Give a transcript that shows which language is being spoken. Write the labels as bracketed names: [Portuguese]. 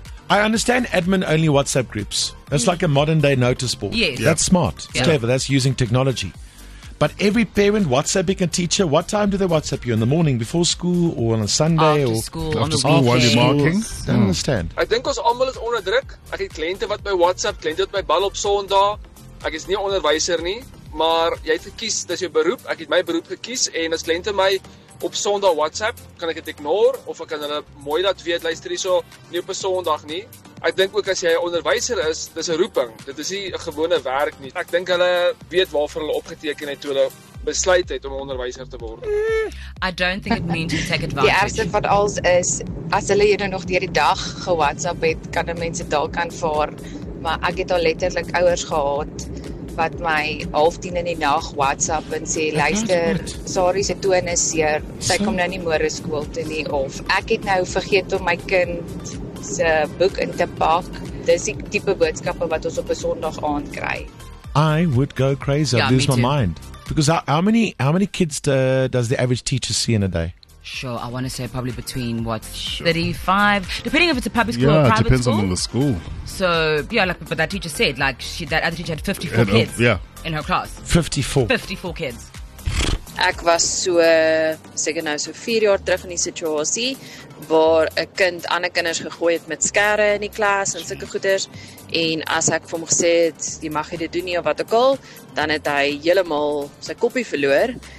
[English] I understand admin-only WhatsApp groups. That's like a modern-day notice board. Yes. Yep. That's smart. It's clever. That's using technology. But every parent WhatsApping a teacher, what time do they WhatsApp you? In the morning, before school, or on a Sunday? After school, while you're marking? I don't understand. I think it's [Afrikaans] almal is onder druk. Ek het kliënte wat my WhatsApp, kliënte wat my bel op Sondag. Ek is nie onderwyser nie, maar jy het gekies, dis jou beroep. Ek het my beroep gekies en as kliënte my op Sondag WhatsApp, kan ek dit ignore of ek kan hulle mooi laat weet, luister hierso, nie op 'n Sondag nie. Ek dink ook as jy 'n onderwyser is, dis 'n roeping. Dit is nie 'n gewone werk nie. Ek dink hulle weet waarvoor hulle opgeteken het toe hulle besluit het om 'n onderwyser te word. [English] I don't think it means to take advantage. [Afrikaans] Die eerste wat als is, as hulle jy nog deur die dag ge-WhatsApp het, kan die mense dalk aanvaar, maar ek het al letterlik ouers gehad wat my 9:30 in die nag WhatsApp en sê, luister, sorry, sy toon is seer, sy kom nou nie môre skool toe nie, of ek het nou vergeet om my kind se boek in te pak. Dis die tipe boodskappe wat ons op 'n Sondag aand kry. [English] I would go crazy. Yeah, I'd lose my mind. Because how many kids does the average teacher see in a day? Sure, I want to say probably between, 35? Depending if it's a public school or private school. Yeah, it depends on the school. So, yeah, like what that teacher said, like that other teacher had 54 kids in her class. 54 kids. [Afrikaans] Ek was so, seker nou so 4 jaar terug in die situasie, waar 'n kind ander kinders gegooi het met skerre in die klas en sulke goeders. En as ek vir hom gesê het, jy mag dit doen nie of wat ook al, dan het hy heeltemal sy koppie verloor.